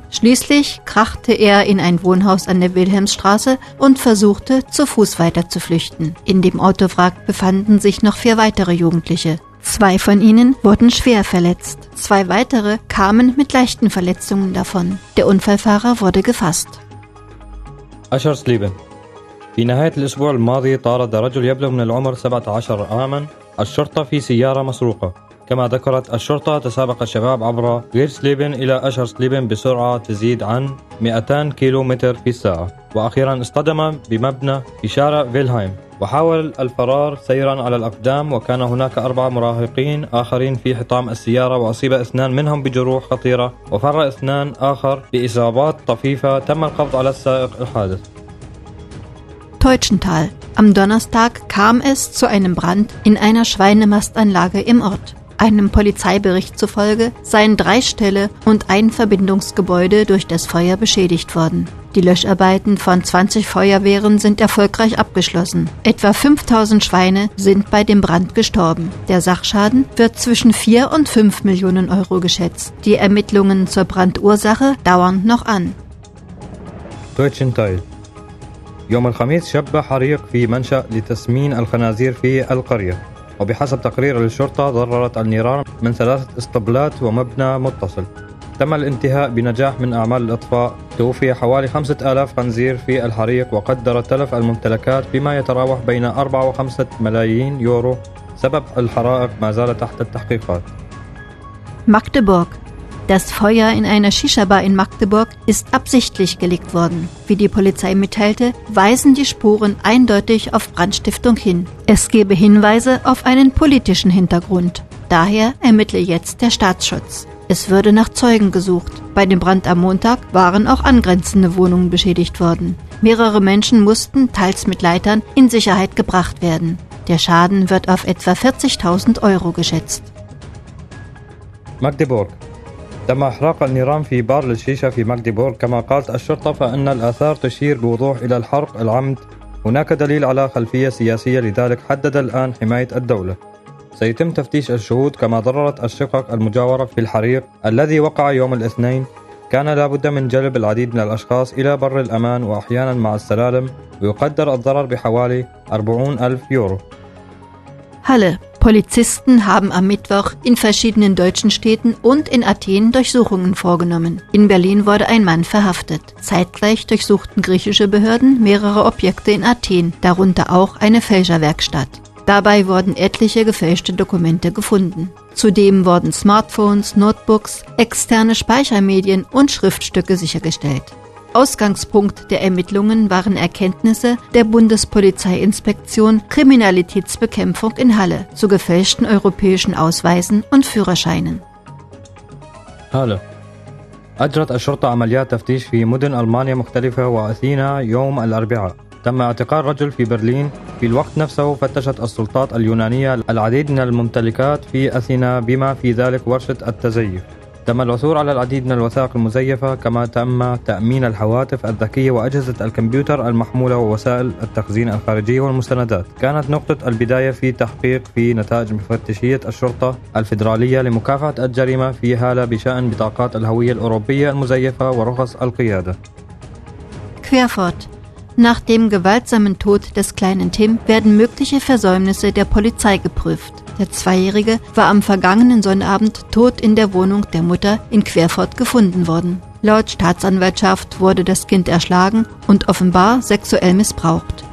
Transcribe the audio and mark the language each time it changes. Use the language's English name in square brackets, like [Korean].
[German] Schließlich krachte er in ein Wohnhaus an der Wilhelmsstraße und versuchte, zu Fuß weiter zu flüchten. In dem Autowrack befanden sich noch 4 weitere Jugendliche. 2 von ihnen wurden schwer verletzt. 2 weitere kamen mit leichten Verletzungen davon. Der Unfallfahrer wurde gefasst. Aschersleben. [Arabic] في نهاية الأسبوع الماضي طارد رجل يبلغ من العمر 17 عاما الشرطة في سيارة مسروقة كما ذكرت الشرطة تسابق الشباب عبر غيرسليبن إلى أشرسليبن بسرعة تزيد عن 200 كيلومتر في الساعة وأخيرا اصطدم بمبنى في شارع فيلهايم وحاول الفرار سيرا على الأقدام وكان هناك 4 مراهقين آخرين في حطام السيارة وأصيب 2 منهم بجروح خطيرة وفر 2 آخر بإصابات طفيفة تم القبض على السائق الحادث [German] Deutschenthal. Am Donnerstag kam es zu einem Brand in einer Schweinemastanlage im Ort. Einem Polizeibericht zufolge seien 3 Ställe und ein Verbindungsgebäude durch das Feuer beschädigt worden. Die Löscharbeiten von 20 Feuerwehren sind erfolgreich abgeschlossen. Etwa 5000 Schweine sind bei dem Brand gestorben. Der Sachschaden wird zwischen 4 und 5 Millionen Euro geschätzt. Die Ermittlungen zur Brandursache dauern noch an. Deutschenthal. [Arabic] يوم الخميس شب حريق في منشأ لتسمين الخنازير في القرية وبحسب تقرير الشرطة ضررت النيران من 3 اسطبلات ومبنى متصل تم الانتهاء بنجاح من أعمال الإطفاء توفي حوالي 5000 خنزير في الحريق وقدر تلف الممتلكات بما يتراوح بين 4 و 5 ملايين يورو سبب الحرائق ما زال تحت التحقيقات [German] Magdeburg Das Feuer in einer Shisha-Bar in Magdeburg ist absichtlich gelegt worden. Wie die Polizei mitteilte, weisen die Spuren eindeutig auf Brandstiftung hin. Es gebe Hinweise auf einen politischen Hintergrund. Daher ermittle jetzt der Staatsschutz. Es würde nach Zeugen gesucht. Bei dem Brand am Montag waren auch angrenzende Wohnungen beschädigt worden. Mehrere Menschen mussten, teils mit Leitern, in Sicherheit gebracht werden. Der Schaden wird auf etwa 40.000 Euro geschätzt. Magdeburg. [Arabic] تم إحراق النيران في بار للشيشة في ماغديبورغ كما قالت الشرطة فإن الآثار تشير بوضوح إلى الحرق العمد هناك دليل على خلفية سياسية لذلك حدد الآن حماية الدولة سيتم تفتيش الشهود كما ضررت الشقق المجاورة في الحريق الذي وقع يوم الاثنين كان لابد من جلب العديد من الأشخاص إلى بر الأمان وأحيانا مع السلالم ويقدر الضرر بحوالي 40.000 يورو [German] هلا Polizisten haben am Mittwoch in verschiedenen deutschen Städten und in Athen Durchsuchungen vorgenommen. In Berlin wurde ein Mann verhaftet. Zeitgleich durchsuchten griechische Behörden mehrere Objekte in Athen, darunter auch eine Fälscherwerkstatt. Dabei wurden etliche gefälschte Dokumente gefunden. Zudem wurden Smartphones, Notebooks, externe Speichermedien und Schriftstücke sichergestellt. Ausgangspunkt der Ermittlungen waren Erkenntnisse der Bundespolizeiinspektion Kriminalitätsbekämpfung in Halle zu gefälschten europäischen Ausweisen und Führerscheinen. Halle. [Arabic] أجرت الشرطة عمليات تفتيش في مدن ألمانيا مختلفة وأثينا يوم الأربعاء. تم اعتقال رجل في برلين. في الوقت نفسه فتشت السلطات اليونانية العديد من الممتلكات في أثينا بما في ذلك ورشة التزييف. تم العثور على العديد من الوثائق المزيفة كما تم تأمين الهواتف الذكية وأجهزة الكمبيوتر المحمولة ووسائل التخزين الخارجي والمستندات كانت نقطة البداية في تحقيق في نتائج مفتشية الشرطة الفيدرالية لمكافحة الجريمة في هالة بشأن بطاقات الهوية الأوروبية المزيفة ورخص القيادة كفيرفورت [German] Nach dem gewaltsamen Tod des kleinen Tim werden mögliche Versäumnisse der Polizei geprüft. Der Zweijährige war am vergangenen Sonnabend tot in der Wohnung der Mutter in Querfurt gefunden worden. Laut Staatsanwaltschaft wurde das Kind erschlagen und offenbar sexuell missbraucht.